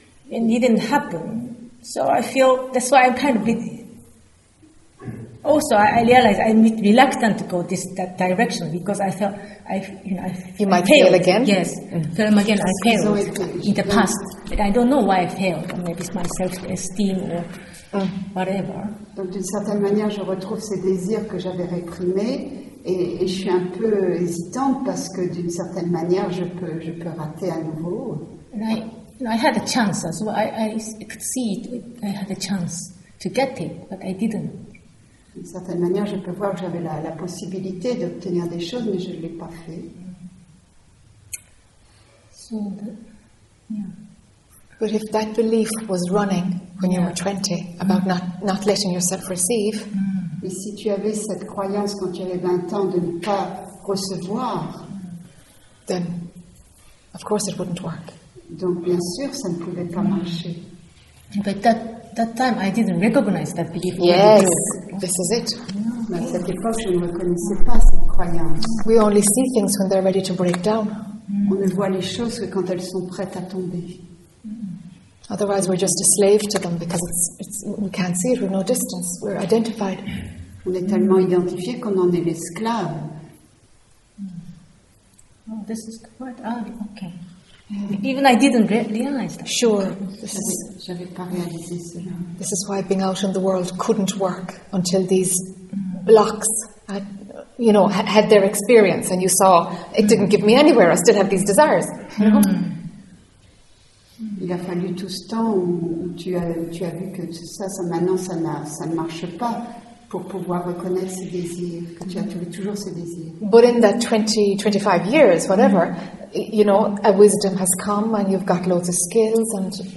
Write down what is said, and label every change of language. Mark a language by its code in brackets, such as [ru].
[en] It didn't happen. So I feel that's why I'm kind of a bit. Also, I realize I'm reluctant to go this that direction because I felt I failed. Fail again. Yes, fail again. I failed in the past. But I don't know why I failed. Maybe it's my self-esteem or whatever. [fr] Donc d'une certaine manière, je retrouve ces désirs que j'avais réprimés et je suis un peu hésitante parce que d'une certaine manière, je peux rater à nouveau. [en] I had a chance as well. I could see it. I had a chance to get it, but I didn't. [fr] D'une certaine manière, je peux voir que j'avais la possibilité d'obtenir des choses, mais je ne l'ai pas fait. [en] So, But if that belief was running when you were 20 about not letting yourself receive, [fr] et si tu avais cette croyance quand tu avais 20 ans de ne pas recevoir, [en] then, of course, it wouldn't work. [fr] Donc, bien sûr, ça ne pouvait pas marcher. [en] But that time, I didn't recognize that belief. Yes, this is it. We only see things when they're ready to break down. [fr] On ne voit les choses que quand elles sont prêtes à tomber. [en] Otherwise, we're just a slave to them because it's we can't see it. We're no distance. We're identified. [fr] On est tellement identifié qu'on en est l'esclave. [en] Oh, this is quite odd. Okay. Even I didn't realize that. Sure. [fr] J'avais pas réalisé cela. [en] This is why being out in the world couldn't work until these blocks, had their experience and you saw it didn't give me anywhere. I still have these desires. [fr] Il a fallu tout ce temps où tu as vu que ça maintenant ça ne marche pas pour pouvoir reconnaître ces désirs, que tu as toujours ces désirs. [en] But in that 20, 25 years, whatever, a wisdom has come and you've got loads of skills and,